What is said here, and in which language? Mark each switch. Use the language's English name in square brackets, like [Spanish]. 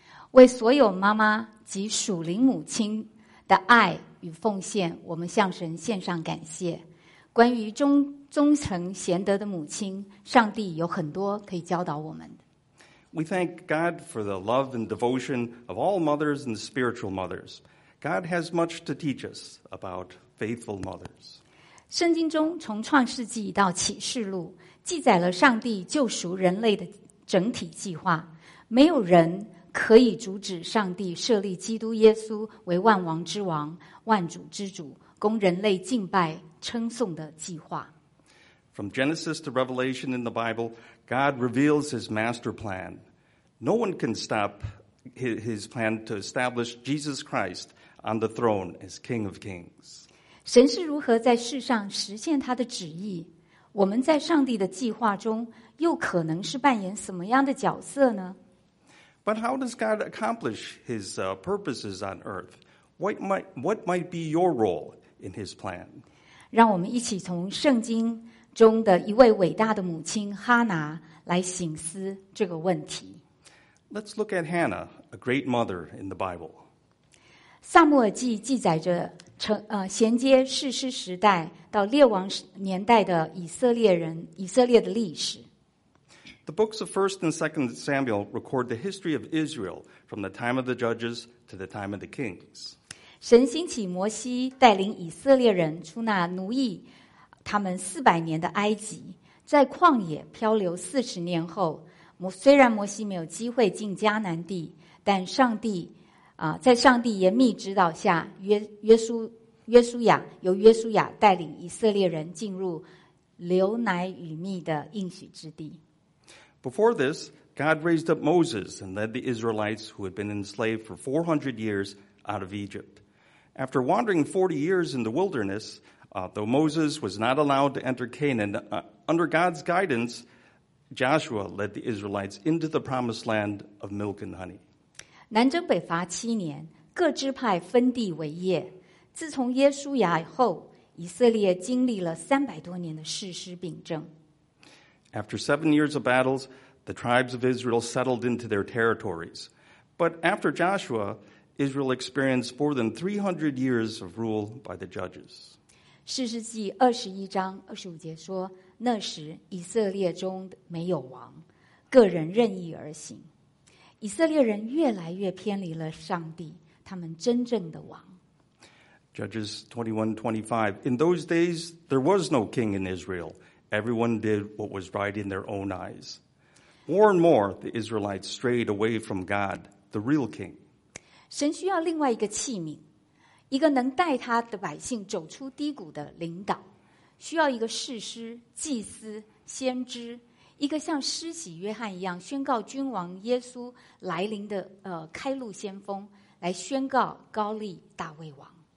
[Chinese] 为所有妈妈及属灵母亲的爱与奉献，我们向神献上感谢。关于忠诚贤德的母亲，上帝有很多可以教导我们的。 [English] We thank God for the love and devotion of all mothers and spiritual mothers. God has much to teach us about faithful mothers. [Chinese] 圣经中从创世纪到启示录，记载了上帝救赎人类的整体计划。没有人可以阻止上帝设立基督耶稣为万王之王、万主之主，供人类敬拜称颂的计划。 [English] From Genesis to Revelation in the Bible, God reveals His master plan. No one can stop His plan to establish Jesus Christ on the throne as King of Kings. [Chinese] 神是如何在世上实现他的旨意？我们在上帝的计划中又可能是扮演什么样的角色呢？ [English] But how does God accomplish His purposes on earth? What might be your role in His plan? [Chinese] 让我们一起从圣经中的一位伟大的母亲哈拿来省思这个问题。 [English] Let's look at Hannah, a great mother in the Bible. [Chinese] 撒母耳记记载着衔接士师时代到列王年代的以色列的历史。 [English] The books of 1 and 2 Samuel record the history of Israel from the time of the judges to the time of the kings. [Chinese] 神兴起摩西带领以色列人出那奴役他们四百年的埃及，在旷野漂流四十年后，虽然摩西没有机会进迦南地，但上帝在上帝严密指导下，约书亚带领以色列人进入流奶与蜜的应许之地。 [English] Before this, God raised up Moses and led the Israelites who had been enslaved for 400 years out of Egypt. After wandering 40 years in the wilderness, though Moses was not allowed to enter Canaan, under God's guidance, Joshua led the Israelites into the promised land of milk and honey. [Chinese] 南征北伐七年，各支派分地为业。自从约书亚后，以色列经历了三百多年的士师并争。 [English] After 7 years of battles, the tribes of Israel settled into their territories. But after Joshua, Israel experienced more than 300 years of rule by the judges. [Chinese] 士师记二十一章二十五节说，那时以色列中没有王，个人任意而行。以色列人越来越偏离了上帝，他们真正的王。 [English] Judges 21:25. In those days, there was no king in Israel. Everyone did what was right in their own eyes. More and more, the Israelites strayed away from God, the real king. [Chinese] 神需要另外一个器皿，一个能带他的百姓走出低谷的领导，需要一个士师、祭司、先知，一个像施洗约翰一样宣告君王耶稣来临的开路先锋，来宣告高利大卫王。